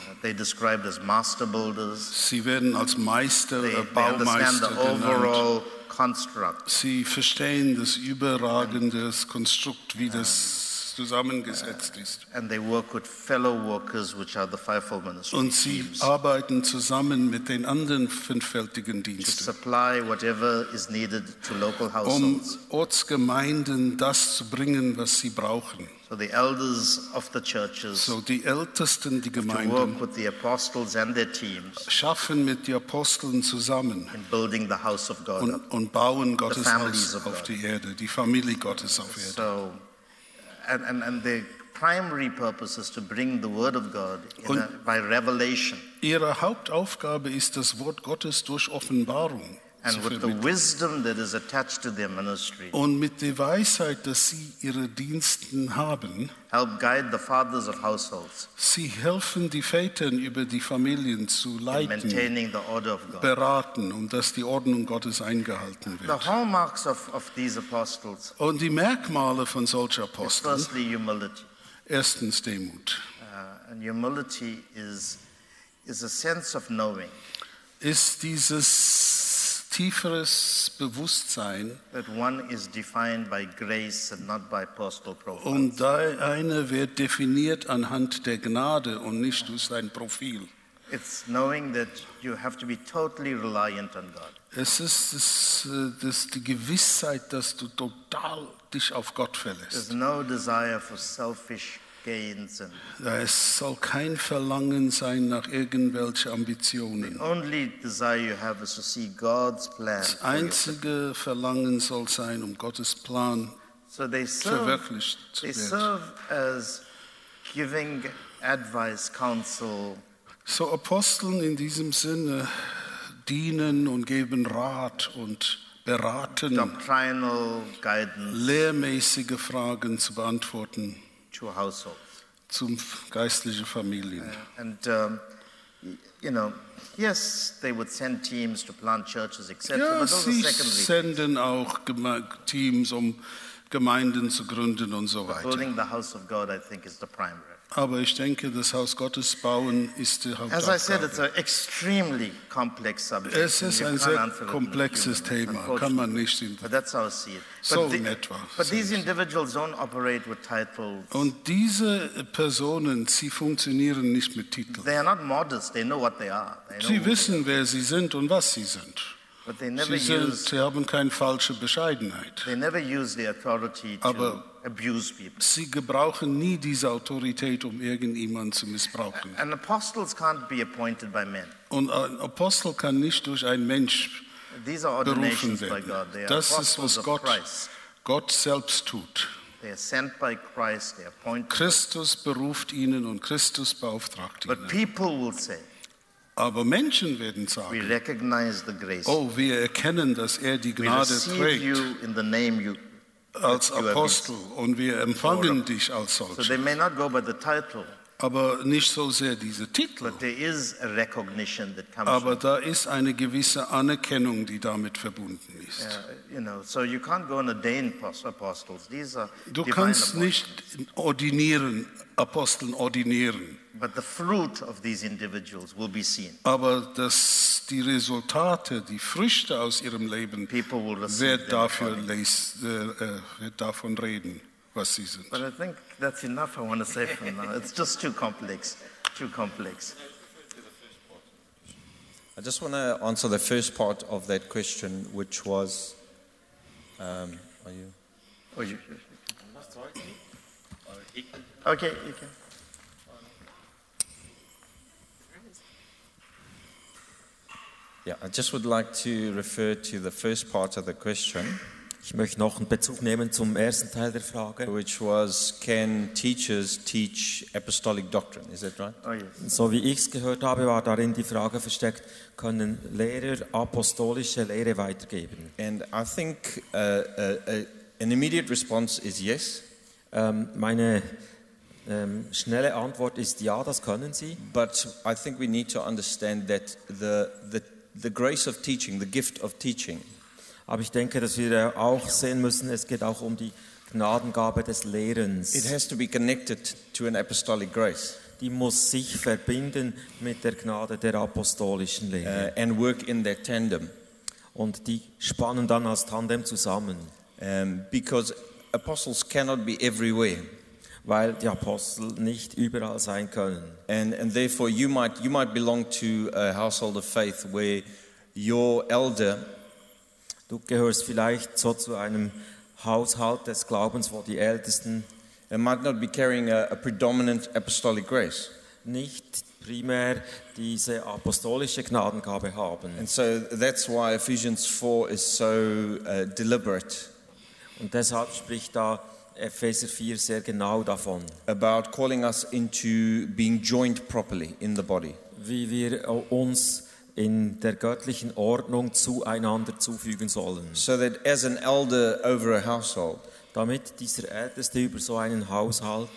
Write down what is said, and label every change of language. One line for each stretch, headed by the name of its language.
English: They described as master builders.
German: Sie werden als Meister, Baumeister
English: They understand the overall construct.
German: Sie verstehen das überragende Konstrukt, wie das zusammengesetzt ist.
English: And they work with fellow workers, which are the fivefold ministry.
German: Und sie arbeiten zusammen mit den anderen fünffältigen Diensten.
English: To supply whatever is needed to local households.
German: Um Ortsgemeinden das zu bringen, was sie brauchen.
English: So the elders of the churches.
German: So die Ältesten, die Gemeinden,
English: to work with the apostles and their teams.
German: Schaffen mit den Aposteln zusammen.
English: In building the house of God.
German: Und bauen Gottes Haus auf die Erde, die Familie Gottes auf Erde.
English: So, and the primary purpose is to bring the word of God by revelation.
German: Ihre Hauptaufgabe ist das Wort Gottes durch Offenbarung.
English: And with the wisdom that is attached to their ministry.
German: Und mit der Weisheit, dass sie ihre Diensten haben.
English: Help guide the fathers of households.
German: Sie helfen die Vätern über die Familien zu leiten.
English: Maintaining the order of God.
German: Beraten und dass die Ordnung Gottes eingehalten wird.
English: The hallmarks of these apostles.
German: Und die Merkmale von solchen Aposteln.
English: Firstly, humility.
German: Erstens Demut.
English: And humility is a sense of knowing.
German: Ist dieses tieferes Bewusstsein,
English: that one is defined by grace and not by personal profile.
German: Und da eine wird definiert anhand der Gnade und nicht durch sein Profil.
English: It's knowing that you have to be totally reliant on God.
German: Es ist das die Gewissheit, dass du total dich auf Gott verlässt.
English: There's no desire for selfish gains.
German: Es soll kein Verlangen sein nach irgendwelchen Ambitionen.
English: The only desire you have is to see God's plan.
German: Das einzige Verlangen soll sein, Gottes Plan verwirklicht zu werden.
English: So they serve as giving advice, counsel.
German: So Aposteln in diesem Sinne dienen und geben Rat und beraten,
English: doctrinal guidance,
German: lehrmäßige Fragen zu beantworten.
English: To households.
German: Zum geistlichen Familien.
English: And you know, yes, they would send teams to plant churches, etc.
German: Ja,
English: but those
German: sie
English: are secondary.
German: Senden auch Teams, Gemeinden zu gründen und so weiter.
English: Building the house of God, I think, is the primary.
German: Aber ich denke, das Haus Gottes bauen ist die Hauptaufgabe.
English: As I said, it's an extremely complex subject.
German: Es ist ein sehr komplexes Thema, kann man nicht in
English: But that's how I see it.
German: So in etwa.
English: But these individuals don't operate with titles.
German: Und diese Personen, sie funktionieren nicht mit Titeln.
English: They are not modest, they know what they are.
German: Sie wissen, wer sie sind und was sie sind. But they never use. Sie haben keine falsche Bescheidenheit.
English: They never use the authority to abuse people.
German: Sie gebrauchen nie diese Autorität, irgendjemanden zu missbrauchen.
English: And apostles can't be appointed by men.
German: Und ein Apostel kann nicht durch einen Mensch
English: These are ordinations
German: berufen
English: by God. They are
German: das
English: apostles
German: ist, was
English: of
German: Gott,
English: Christ.
German: Gott selbst tut.
English: They are sent by Christ. They are appointed.
German: Christus beruft ihnen und Christus beauftragt ihnen.
English: But people will say,
German: aber Menschen werden sagen,
English: we recognize the grace.
German: Oh, wir erkennen, dass die Gnade
English: we
German: trägt.
English: You in the name you
German: als Apostel und wir empfangen dich als solcher.
English: So they may not go by the title,
German: aber nicht so sehr diese Titel.
English: But there is a recognition that comes
German: aber da ist eine gewisse Anerkennung, die damit verbunden ist. Du kannst nicht ordinieren, Aposteln ordinieren.
English: But the fruit of these individuals will be seen.
German: Aber dass die Resultate, die Früchte aus ihrem Leben,
English: people will
German: wird davon reden, was sie sind.
English: But I think that's enough. I want to say for now, it's just too complex, too complex. I just want to answer the first part of that question, which was, are you? Okay, you can. Yeah, I just would like to refer to the first part of the question.
German: Ich möchte noch einen Bezug nehmen zum ersten Teil der Frage.
English: Which was, can teachers teach apostolic doctrine? Is that right? Oh, yes.
German: So wie ich es gehört habe, war darin die Frage versteckt, können Lehrer apostolische Lehre weitergeben?
English: And I think an immediate response is yes.
German: Schnelle Antwort ist ja, das können sie.
English: But I think we need to understand that the grace of teaching, the gift of teaching.
German: Aber ich denke, dass wir auch sehen müssen, es geht auch um die Gnadengabe des Lehrens.
English: It has to be connected to an apostolic grace.
German: Die muss sich verbinden mit der Gnade der apostolischen Lehre.
English: And work in their tandem.
German: Und die spannen dann als Tandem zusammen.
English: Because apostles cannot be everywhere.
German: Weil die Apostel nicht überall sein können.
English: And therefore you might belong to a household of faith where your elder.
German: Du gehörst vielleicht so zu einem Haushalt des Glaubens, wo die Ältesten.
English: And might not be carrying a predominant apostolic grace.
German: Nicht primär diese apostolische Gnadengabe haben.
English: And so that's why Ephesians 4 is so deliberate.
German: Und deshalb spricht da Epheser 4 sehr genau davon.
English: About calling us into being joined properly in the body.
German: Wie wir uns in der göttlichen Ordnung zueinander zufügen sollen.
English: So that as an elder over a household,
German: damit dieser Älteste über so einen Haushalt